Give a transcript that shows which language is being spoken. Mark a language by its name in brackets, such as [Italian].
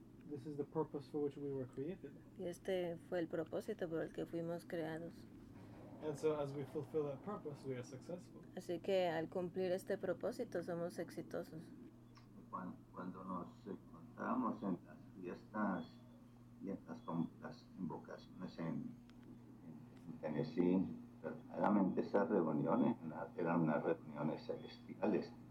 [English] This is the purpose for which we were created. [Spanish] Y este fue el propósito por el que fuimos creados. [English] And so as we fulfill that purpose, we are successful. [Spanish] Así que al cumplir este propósito, somos exitosos. Cuando nos encontramos en las fiestas y en las invocaciones en Tennessee, verdaderamente esas reuniones eran unas reuniones celestiales.